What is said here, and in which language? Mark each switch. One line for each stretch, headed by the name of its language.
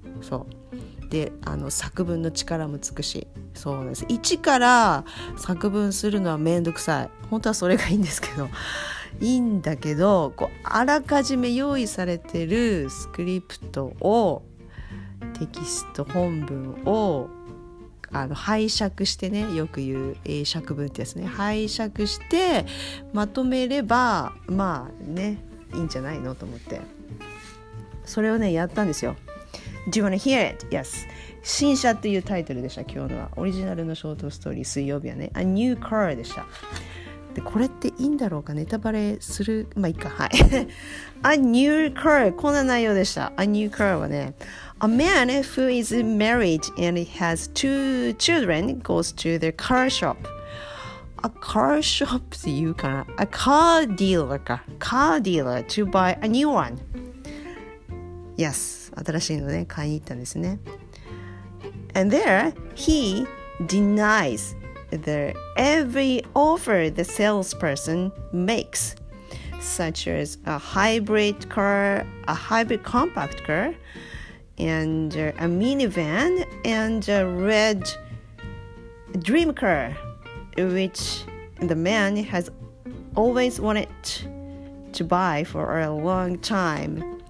Japanese: そうで、あの作文の力もつくし、そうです、一から作文するのはめんどくさい、本当はそれがいいんですけど、いいんだけど、こうあらかじめ用意されてるスクリプトを、テキスト本文をあの拝借してね、よく言う英釈文ってやつね、拝借してまとめればまあねいいんじゃないのと思って、それをねやったんですよ。
English: Do you wanna hear it? Yes.
Japanese: 新車っていうタイトルでした。今日のはオリジナルのショートストーリー、水曜日はね A New Car でした。でこれっていいんだろうか、ネタバレする、まあいいか、はい。 A New Car、 こんな内容でした。
English: A New Car はね、A man who is married and has two children goes to the car shop. A car shop
Japanese: っていうかな?
English: A car dealer か。 Car dealer to buy a new one.
Japanese: Yes, 新しいのね、買いに行ったんですね。
English: And there, he denies the every offer the salesperson makes, such as a hybrid car, a hybrid compact car,and a minivan and a red dream car which the man has always wanted to buy for a long time.